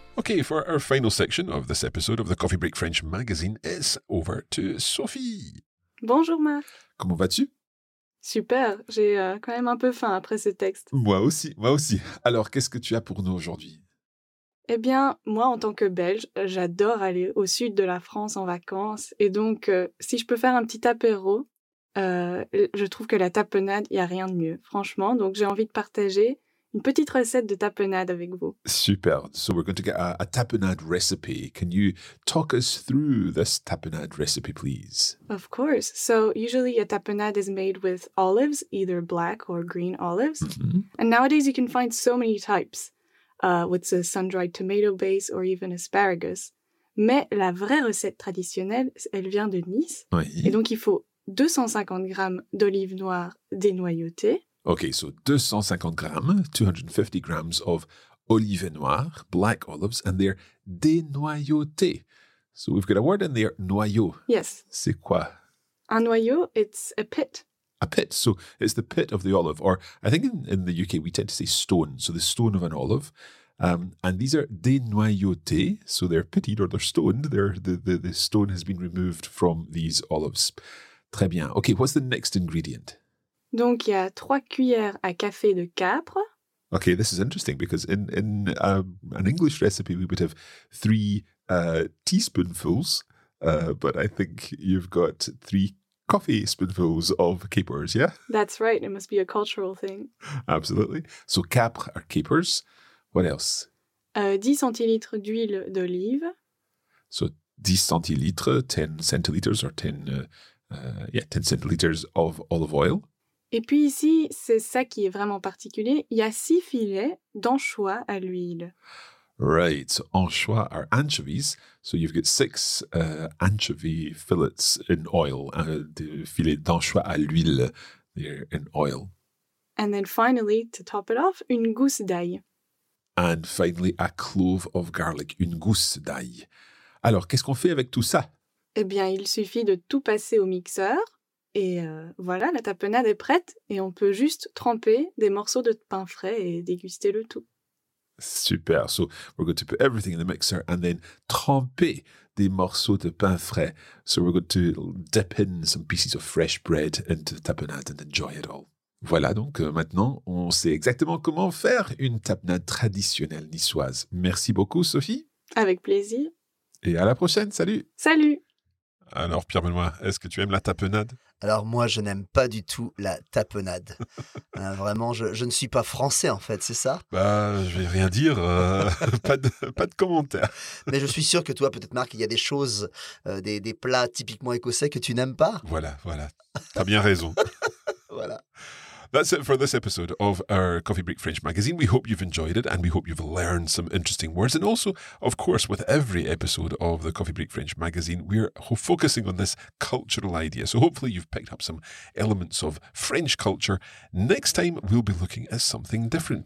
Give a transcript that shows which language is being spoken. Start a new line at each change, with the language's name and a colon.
English: Okay, for our final section of this episode of the Coffee Break French magazine, it's over to Sophie.
French: Bonjour Marc. Comment vas-tu? Super, j'ai quand même un peu faim après ce texte. Moi aussi. Alors, qu'est-ce que tu as pour nous aujourd'hui? Eh bien, moi en tant que Belge, j'adore aller au sud de la France en vacances. Et donc, si je peux faire un petit apéro, je trouve que la tapenade, il n'y a rien de mieux, franchement. Donc, j'ai envie de partager une petite recette de tapenade avec vous. Super.
English: So we're going to get a tapenade recipe. Can you talk us through this tapenade recipe, please? Of course. So usually a tapenade is made with olives, either black or green olives. Mm-hmm. And nowadays you can find so many types, with a sun-dried tomato base or even asparagus.
French: Mais la vraie recette traditionnelle, elle vient de Nice. Oui. Et donc il faut 250 grammes d'olives noires dénoyautées.
English: Okay, so 250 grams of
French: olive noir,
English: black olives, and they're dénoyautées. So we've got a word in there, noyau. Yes.
French: C'est quoi?
English: Un noyau, it's a pit. A pit, so it's the pit of the olive. Or I think in the UK we tend to say stone, so the stone of an olive. And these are dénoyautées, so they're pitted or they're stoned. The stone has been removed from these olives.
French: Très bien.
English: Okay, what's the next ingredient?
French: Donc, il y a 3 cuillères à café de capre.
English: Okay, this is interesting because in an English recipe, we would have 3 teaspoonfuls, but I think you've got 3 coffee spoonfuls of capers, yeah? That's right. It must be a cultural thing. Absolutely. So, capre are capers. What else?
French: 10 centilitres d'huile d'olive.
English: So, 10 centilitres, 10 centiliters or 10, 10 centiliters of olive oil.
French: Et puis ici, c'est ça qui est vraiment particulier, il y a 6 filets d'anchois à l'huile.
English: Right, so anchois are anchovies, so you've got 6 anchovy fillets in oil,
French: des filets d'anchois à l'huile,
English: they're in oil. And then finally, to top it off,
French: une gousse d'ail.
English: And finally, a clove of garlic,
French: une gousse d'ail. Alors, qu'est-ce qu'on fait avec tout ça? Eh bien, il suffit de tout passer au mixeur. Et voilà, la tapenade est prête. Et on peut juste tremper des morceaux de pain frais et déguster le tout. Super. So, we're going to put everything in the mixer and then tremper des morceaux de pain frais. So, we're going to dip in some pieces of fresh bread into the tapenade and enjoy it all. Voilà, donc maintenant, on sait exactement comment faire une tapenade traditionnelle niçoise. Merci beaucoup, Sophie. Avec plaisir. Et à la prochaine. Salut. Salut. Alors, Pierre-Benoît, est-ce que tu aimes la tapenade? Alors, moi, je n'aime pas du tout la tapenade. vraiment, je ne suis pas français, en fait, c'est ça? Bah, je vais rien dire. pas de commentaire. Mais je suis sûr que toi, peut-être, Marc, il y a des choses, des plats typiquement écossais que tu n'aimes pas. Voilà. T'as bien raison. Voilà.
English: That's it for this episode of our Coffee Break French magazine. We hope you've enjoyed it and we hope you've learned some interesting words. And also, of course, with every episode of the Coffee Break French magazine, we're focusing on this cultural idea. So hopefully you've picked up some elements of French culture. Next time, we'll be looking at something different.